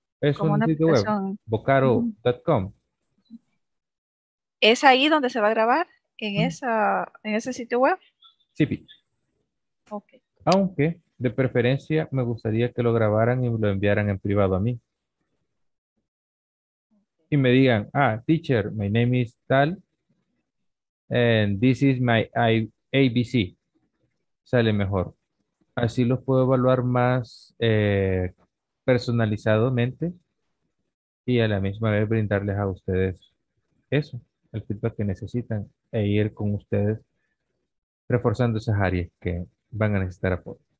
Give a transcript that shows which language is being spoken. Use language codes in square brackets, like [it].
[es] Es como un una sitio web, vocaro.com. ¿Es ahí donde se va a grabar? ¿En, esa, en ese sitio web? Sí, sí. Okay. Aunque, de preferencia, me gustaría que lo grabaran y lo enviaran en privado a mí. Y me digan, [en] ah, teacher, my name is Tal, and this is my ABC. [es] Sale mejor. Así los puedo evaluar más personalizadamente y a la misma vez brindarles a ustedes eso, el feedback que necesitan e ir con ustedes reforzando esas áreas que van a necesitar apoyo.